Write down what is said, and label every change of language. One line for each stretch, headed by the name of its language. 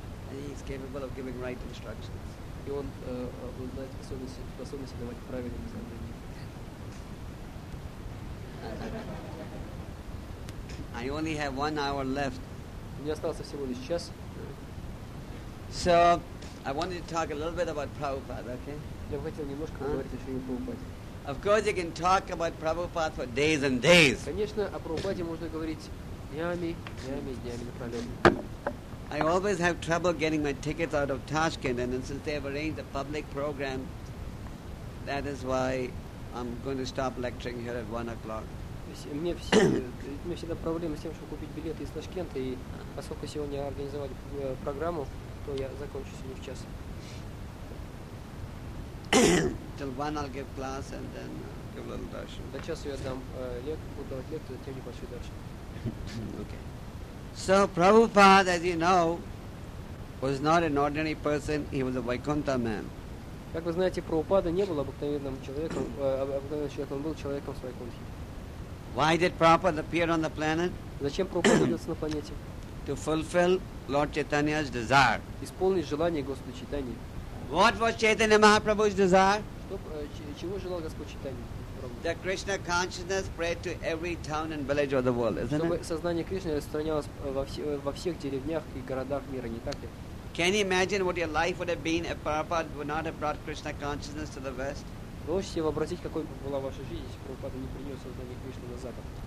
English: And he is capable of giving right instructions.
Russian: И он знает способность давать правильные наставления.
English: I only have 1 hour left.
Russian: У меня остался всего лишь час.
English: So I wanted to talk a little bit about Prabhupada, okay?
Russian: Я хотел немножко поговорить о Шриле Прабхупаде.
English: Of course, you can talk about Prabhupada for days and days.
Russian: Конечно, о Прабхупаде можно говорить днями напролёт.
English: I always have trouble getting my tickets out of Tashkent, and since they have arranged a public program, that is why I'm going to stop lecturing here at 1 o'clock.
Russian: Мне всегда проблемы с тем, чтобы купить билеты из Ташкента, и поскольку сегодня организовали программу, то я закончу сегодня в час.
English: Till 1 I'll give class and then give a little darshan.
Russian: До часу я дам буду давать лекцию, затем небольшой даршан.
English: Okay. So Prabhupada, as you know, was not an ordinary person, he was a Vaikuntha man.
Russian: Как вы знаете, Прабхупада не был обыкновенным человеком, он был человеком с Вайкунтхи.
English: Why did Prabhupada appear on the planet?
Russian: Зачем Прабхупада появился на планете?
English: To fulfill Lord Chaitanya's desire.
Russian: Исполнить желание Господа Чайтаньи.
English: What was Chaitanya Mahaprabhu's desire?
Russian: Чего желал Господь Чайтанья?
English: That Krishna consciousness spread to every town and village of the world, isn't
Russian: Чтобы
English: it?
Russian: Сознание Кришны распространялось во всех деревнях и городах мира, не так ли?
English: Can you imagine what your life would have been if Prabhupada would not have брought Krishna consciousness to the West?
Russian: Вы можете себе вообразить, какой бы была ваша жизнь, если Прабхупада не принес сознание Кришны на Запад?